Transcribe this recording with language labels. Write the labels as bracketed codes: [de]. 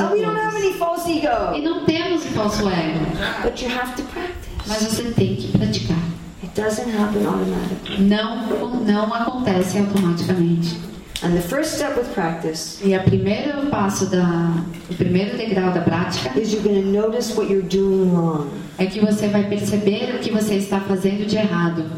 [pt] a todos. [en] We don't have any false ego. [pt] E não temos falso ego. [en] But you have to practice. [pt] Mas você tem que praticar. [en] It doesn't happen automatically. [pt] Não acontece automaticamente. [en] And the first step with practice. [pt] E o primeiro passo o primeiro degrau da prática. [en] Is you're going to notice what you're doing wrong. [pt] É que você vai perceber o que você está fazendo de errado.